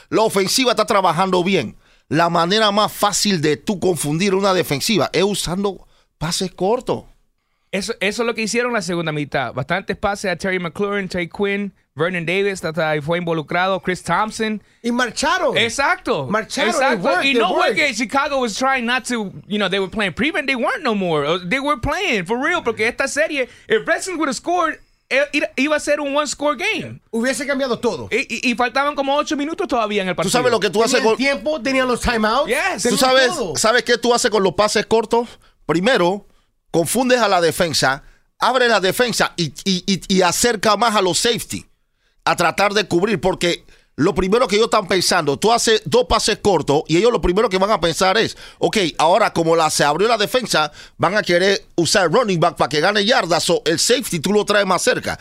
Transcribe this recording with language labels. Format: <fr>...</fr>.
<es>La ofensiva está trabajando bien. La manera más fácil de tú confundir una defensiva es usando pases cortos. Eso es lo que hicieron la segunda mitad. Bastantes pases a Terry McLaurin, Trey Quinn, Vernon Davis, hasta ahí fue involucrado, Chris Thompson. Y marcharon. Exacto. Marcharon.</es> <en>Chicago was trying not to, you know, they were playing prevent, they weren't no more. They were playing, for real,</en> <es>porque esta serie,</es> <en>if Redskins would have scored,</en> <es>iba a ser un</es> <en>one-score game.</en> <es>Hubiese cambiado todo. Y faltaban como 8 minutos todavía en el partido. ¿Tú sabes lo que tú haces con... tiempo, tenían los timeouts.</es> <en>Yes.</en> <es>¿Tú sabes qué tú haces con los pases cortos? Primero, confundes a la defensa, abre la defensa y acerca más a los safety a tratar de cubrir, porque lo primero que ellos están pensando, tú haces dos pases cortos y ellos lo primero que van a pensar es, ok, ahora como se abrió la defensa, van a querer usar el running back para que gane yardas, o el safety tú lo traes más cerca.</es>